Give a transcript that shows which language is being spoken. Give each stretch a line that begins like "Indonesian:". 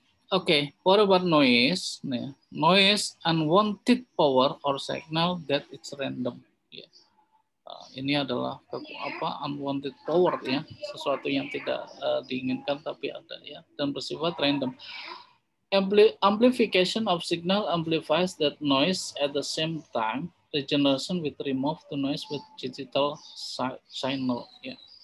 English: Okay, what about noise? Yeah. Noise unwanted power or signal that it's random.
Indonesian: Ini adalah apa unwanted power ya, sesuatu yang tidak diinginkan tapi ada ya dan bersifat random.
English: Amplification of signal amplifies that noise at the same time regeneration with remove the noise with digital signal ya.